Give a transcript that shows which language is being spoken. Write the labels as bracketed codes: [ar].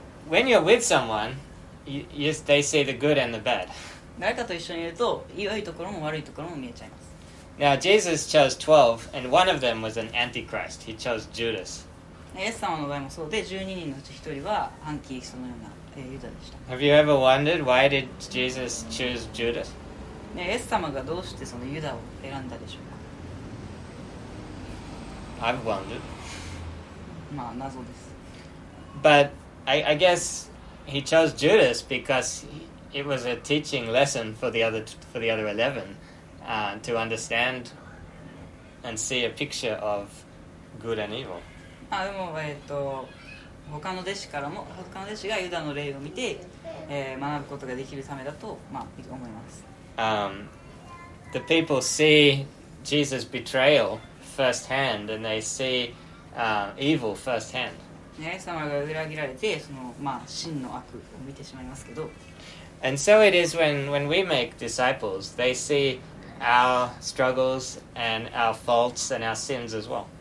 [en] When you're with someone, they see the good and the bad. [ja] 誰かと一緒にいると、良いところも悪いところも見えちゃいます。 [en] Now, Jesus chose 12, and one of them was an antichrist. He chose Judas. [ja] イエス様の場合もそうで、12人のうち1人は反キリストのような、ユダでした。 [en] Have you ever wondered why did Jesus choose Judas? [ja] イエス様がどうしてそのユダを選んだでしょうか? [en] I've wondered. [ja] まあ、謎です。 [en] But I guess he chose Judas because it was a teaching lesson for the other 11 to understand and see a picture of good and evil. [ja] あ、でも、他の弟子からも、他の弟子がユダの例を見て、学ぶことができるためだと、まあ、思います。 [en] the people see Jesus' betrayal firsthand and they see evil firsthand. And so it is when we make disciples, they see our struggles and our faults and our sins as well.